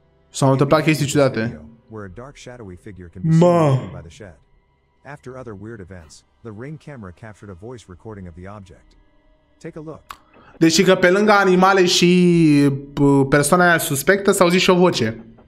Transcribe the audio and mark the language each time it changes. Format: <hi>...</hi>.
<ro>S-au întâmplat chestii ciudate. Mă!</ro> <en>After other weird events, the Ring camera captured a voice recording of the object. Take a look.</en> <ro>Deci că pe lângă animale și persoana aia suspectă, s-a auzit și o voce.</ro>